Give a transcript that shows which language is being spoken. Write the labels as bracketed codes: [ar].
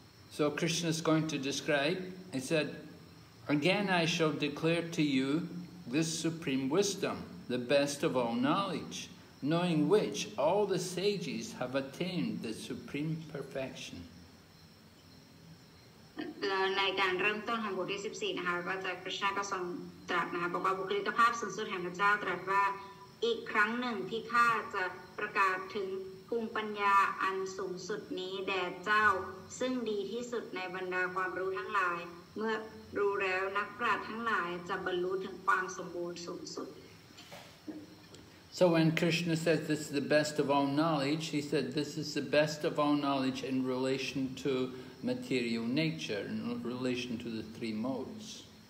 [en] So Krishna is going to describe, he said, Again I shall declare to you this supreme wisdom, the best of all knowledge. Knowing which all the sages have attained the supreme perfection. [th] ในการเริ่มต้นของบทที่14นะคะก็จะพระชาก็ทรงตรัสนะคะบอกว่าบุคลิกภาพสูงสุดแห่งพระเจ้าตรัสว่าอีกครั้งหนึ่งที่ข้าจะประกาศถึงภูมิปัญญาอันสูงสุดนี้แด่เจ้าซึ่งดีที่สุดในบรรดาความรู้ทั้งหลายเมื่อรู้แล้วนักปราชญ์ทั้งหลายจะบรรลุถึงความสมบูรณ์สูงสุด [en] So when Krishna says this is the best of all knowledge, he said this is the best of all knowledge in relation to material nature, in relation to the three modes.